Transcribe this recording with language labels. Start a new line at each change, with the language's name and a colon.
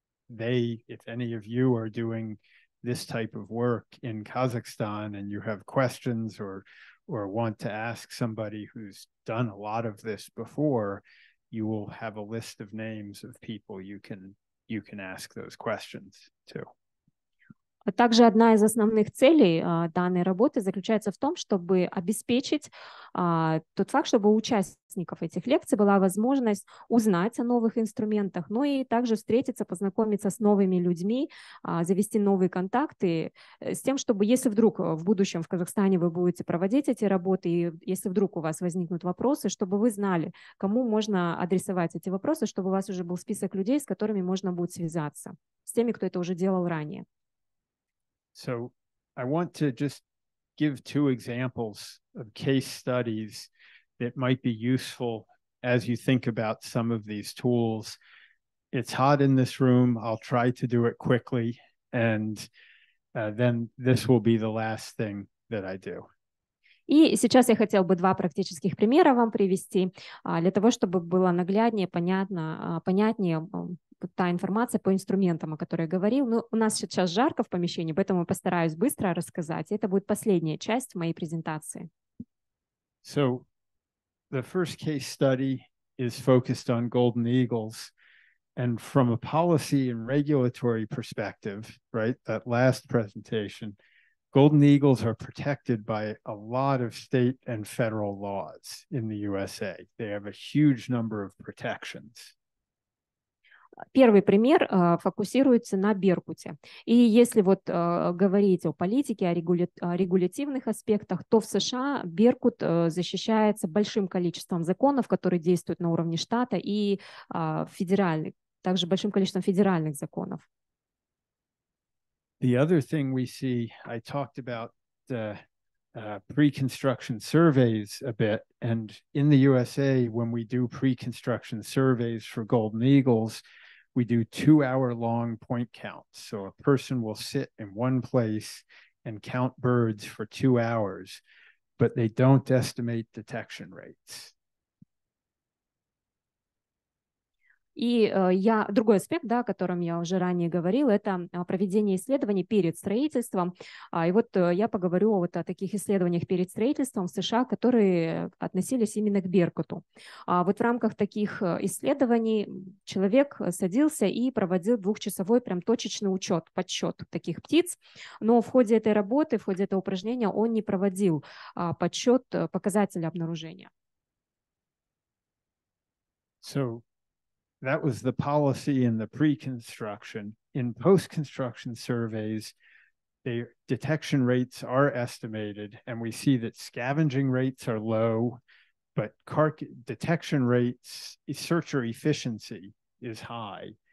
English: they, if any of you are doing this type of work in Kazakhstan and you have questions or want to ask somebody who's done a lot of this before, you will have a list of names of people you can ask those questions to.
Russian: Также одна из основных целей данной работы заключается в том, чтобы обеспечить тот факт, чтобы у участников этих лекций была возможность узнать о новых инструментах, но и также встретиться, познакомиться с новыми людьми, завести новые контакты, с тем, чтобы если вдруг в будущем в Казахстане вы будете проводить эти работы, и если вдруг у вас возникнут вопросы, чтобы вы знали, кому можно адресовать эти вопросы, чтобы у вас уже был список людей, с которыми можно будет связаться, с теми, кто это уже делал ранее.
English: So I want to just give two examples of case studies that might be useful as you think about some of these tools. It's hot in this room. I'll try to do it quickly. And then this will be the last thing that I do.
Russian: И сейчас я хотел бы два практических примера вам привести, для того, чтобы было нагляднее, понятнее та информация по инструментам, о которой я говорил. Но у нас сейчас жарко в помещении, поэтому я постараюсь быстро рассказать. Это будет последняя часть моей презентации.
English: So, the first case study is focused on golden eagles. And from a policy and regulatory perspective, right, that last presentation, golden eagles are protected by a lot of state and federal laws in the USA. They have a huge number of protections.
Russian: Первый пример фокусируется на Беркуте. И если вот говорить о политике, о регулятивных аспектах, то в США Беркут защищается большим количеством законов, которые действуют на уровне штата и федеральных, также большим количеством федеральных законов.
English: The other thing we see, I talked about pre-construction surveys a bit, and in the USA, when we do pre-construction surveys for golden eagles, we do 2-hour-long point counts. So a person will sit in one place and count birds for 2 hours, but they don't estimate detection rates.
Russian: И другой аспект, да, о котором я уже ранее говорил, это проведение исследований перед строительством. И вот я поговорю вот о таких исследованиях перед строительством в США, которые относились именно к Беркуту. Вот в рамках таких исследований человек садился и проводил двухчасовой прям точечный учет, подсчет таких птиц. Но в ходе этой работы, в ходе этого упражнения он не проводил подсчет показателя обнаружения.
English: So... That was the policy in the pre-construction. In post-construction surveys, the detection rates are estimated, and we see that scavenging rates are low, but detection rates, searcher efficiency is high.